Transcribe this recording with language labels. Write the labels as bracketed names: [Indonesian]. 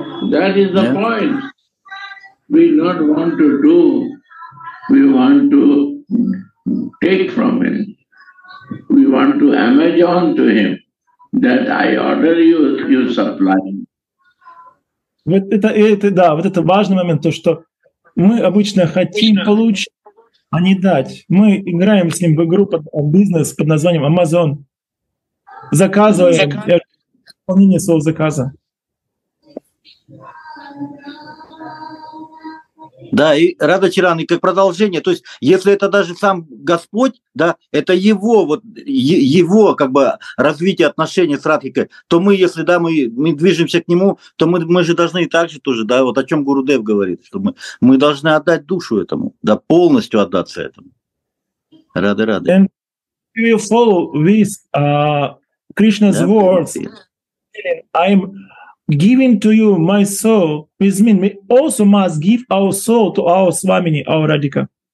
[English] That is the point. We don't want to do, we want to take from him. We want to Amazon to him, that I order you, you supply. [Russian] Вот это, да, вот это важный момент, то, что мы обычно хотим получить, а не дать. Мы играем с ним в игру под бизнес под названием Amazon. Заказываем выполнение своего заказа. Да, и Рада Тиран, и как продолжение, то есть если это даже сам Господь, да, это его, вот, его как бы развитие отношений с Радхикой, то мы, если да, мы движемся к нему, то мы же должны и так же тоже, да, вот о чем Гуру Дев говорит, что мы должны отдать душу этому, да, полностью отдаться этому. Рады, рады. [English] And if you follow this Krishna's words, I'm giving to you my soul, which means we also must give our soul to our Swamini, our Radhika.